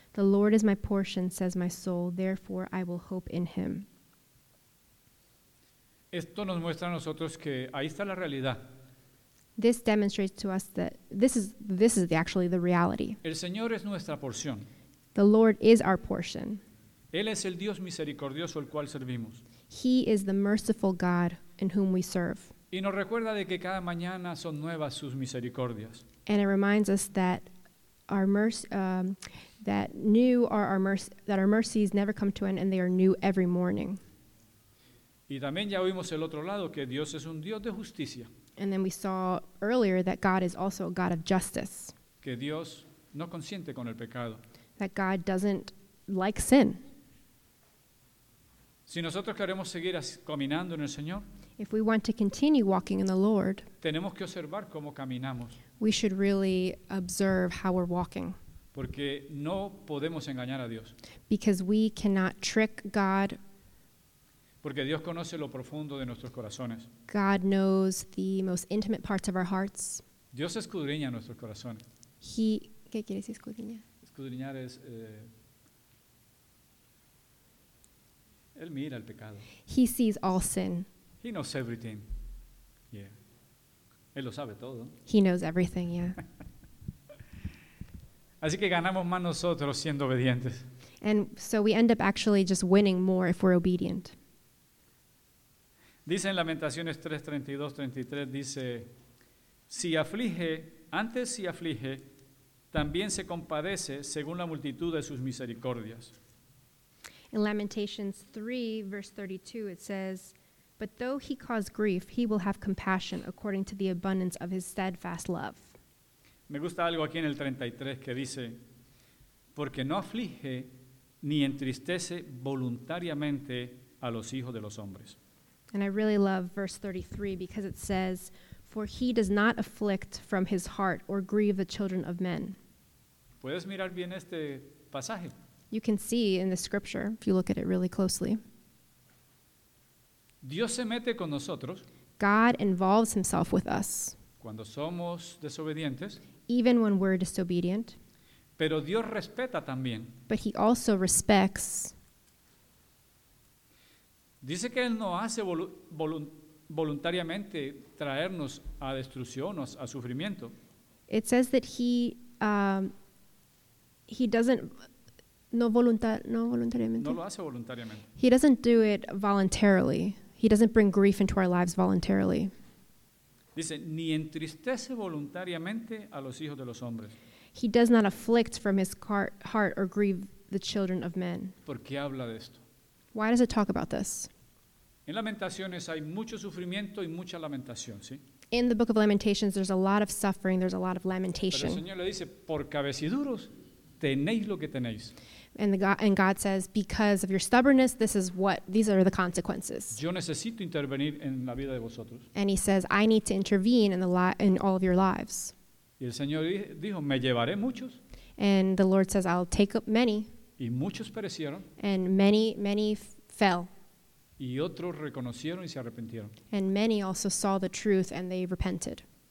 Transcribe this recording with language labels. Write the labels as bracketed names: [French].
[English] The Lord is my portion, says my soul. Therefore, I will hope in him. [Spanish] Esto nos muestra a nosotros que ahí está la realidad. [English] This demonstrates to us that this is actually the reality. [Spanish] El Señor es nuestra porción. [English] The Lord is our portion. [Spanish] Él es el Dios misericordioso al cual servimos. [English] He is the merciful God in whom we serve. [Spanish] Y nos recuerda de que cada mañana son nuevas sus misericordias. [English] And it reminds us that our mercies never come to an end, and they are new every morning. [Spanish] Y también ya vimos el otro lado, que Dios es un Dios de justicia. [English] And then we saw earlier that God is also a God of justice. [Spanish] Que Dios no consiente con el pecado. [English] That God doesn't like sin. [Spanish] Si nosotros queremos seguir caminando en el Señor, [English] if we want to continue walking in the Lord, [Spanish] tenemos que observar cómo caminamos. [English] We should really observe how we're walking. [Spanish] Porque no podemos engañar a Dios. [English] Because we cannot trick God. [Spanish] Porque Dios conoce lo profundo de nuestros corazones. [English] God knows the most intimate parts of our hearts. [Spanish] Dios escudriña nuestros corazones. ¿Qué quiere decir escudriña? Escudriñar es él mira el pecado. [English] He sees all sin. He knows everything. Yeah. [Spanish] Él lo sabe todo. [English] He knows everything, yeah. [Spanish] Así que ganamos más nosotros siendo obedientes. [English] And so we end up actually just winning more if we're obedient. [Spanish] Dice en Lamentaciones 3:32-33, dice, si aflige, antes si aflige, también se compadece según la multitud de sus misericordias. [English] In Lamentations 3, verse 32, it says, but though he cause grief, he will have compassion according to the abundance of his steadfast love. [Spanish] Me gusta algo aquí en el 33 que dice, porque no aflige ni entristece voluntariamente a los hijos de los hombres. [English] And I really love verse 33 because it says, for he does not afflict from his heart or grieve the children of men. [Spanish] ¿Puedes mirar bien este pasaje? [English] You can see in the scripture if you look at it really closely. [Spanish] Dios se mete con nosotros. [English] God involves himself with us. [Spanish] Cuando somos desobedientes. [English] Even when we're disobedient. [Spanish] Pero Dios respeta también. [English] But he also respects. [Spanish] Dice que él no hace voluntariamente traernos a destrucción o a sufrimiento. [English] It says that he doesn't He doesn't do it voluntarily. He doesn't bring grief into our lives voluntarily. [Spanish] Dice, ni entristece voluntariamente a los hijos de los hombres. [English] He does not afflict from his heart or grieve the children of men. [Spanish] ¿Por qué habla de esto? [English] Why does it talk about this? [Spanish] En Lamentaciones hay mucho sufrimiento y mucha lamentación, ¿sí? [English] In the book of Lamentations, there's a lot of suffering, there's a lot of lamentation. [Spanish] Pero el Señor le dice, por cabeciduros, tenéis lo que tenéis. [English] And God says, because of your stubbornness, these are the consequences. [Spanish] Yo necesito intervenir en la vida de vosotros. [English] And he says, I need to intervene in all of your lives. [Spanish] Y el Señor dijo, me llevaré muchos. [English] And the Lord says, I'll take up many. [Spanish] Y muchos perecieron. [English] And many fell. [Spanish] Y otros reconocieron y se arrepintieron. [English] And many also saw the truth and they repented.